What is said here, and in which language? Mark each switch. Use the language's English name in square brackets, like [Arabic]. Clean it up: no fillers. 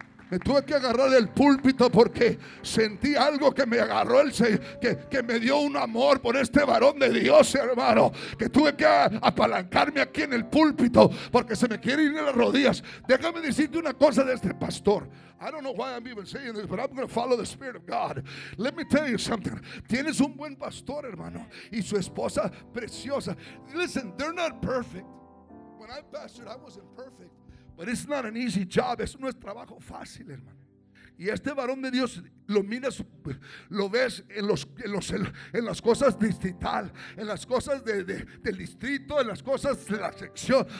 [Spanish] Me tuve que agarrar del púlpito porque sentí algo que me agarró el Señor, que me dio un amor por este varón de Dios, hermano. Que tuve que apalancarme aquí en el púlpito porque se me quiere ir en las rodillas. Déjame decirte una cosa de este pastor. [English] I don't know why I'm even saying this, but I'm going to follow the Spirit of God. Let me tell you something. [Spanish] Tienes un buen pastor, hermano, y su esposa preciosa. [English] Listen, they're not perfect. When I pastored, I wasn't perfect. But it's not an easy job. [Spanish] Eso no es trabajo fácil, hermano. Y este varón de Dios lo miras, lo ves en las cosas distrital, en las cosas del distrito, en las cosas de la sección.